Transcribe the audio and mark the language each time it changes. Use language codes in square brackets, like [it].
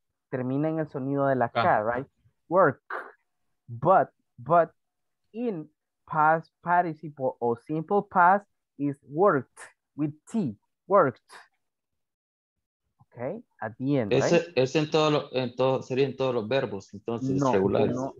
[es] Termina en el sonido de la K, right? [en] Work. But, in past participle or simple past is worked with T. Worked. Okay? At the end, [es] ese, [en] right? [es] Ese sería en todos los verbos, entonces, no, regulares.